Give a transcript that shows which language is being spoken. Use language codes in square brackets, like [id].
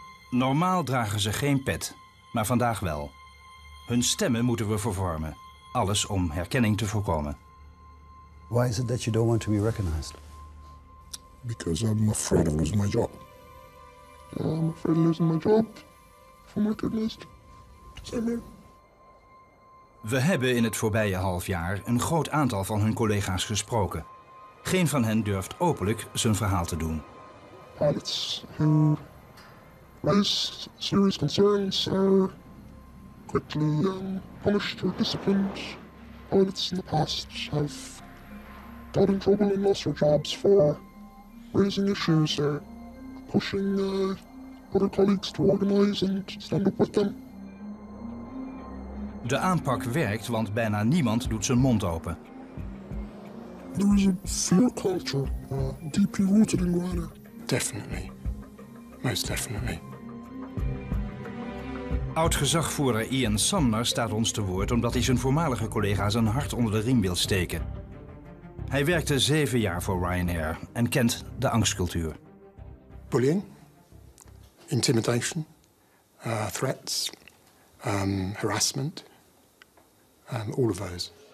[nl] Normaal dragen ze geen pet, maar vandaag wel. Hun stemmen moeten we vervormen. Alles om herkenning te voorkomen. [en] Why is it that you don't want to be recognized? Because I'm afraid of losing my job. Yeah, I'm afraid of losing my job. For my goodness. Same here. [nl] We hebben in het voorbije half jaar een groot aantal van hun collega's gesproken. Geen van hen durft openlijk zijn verhaal te doen. [en] Pilots, raise serious concerns are quickly punished or disciplined. Pilots in the past have got in trouble and lost their jobs for raising issues or pushing other colleagues to organize and stand up with them. [nl] De aanpak werkt, want bijna niemand doet zijn mond open. [en] There is a fear culture deeply rooted in Ryanair. Definitely. Most definitely. [nl] Oud-gezagvoerder Ian Sumner staat ons te woord omdat hij zijn voormalige collega's een hart onder de riem wil steken. Hij werkte 7 jaar voor Ryanair en kent de angstcultuur. [en] Bullying, intimidation, threats, harassment, all of those.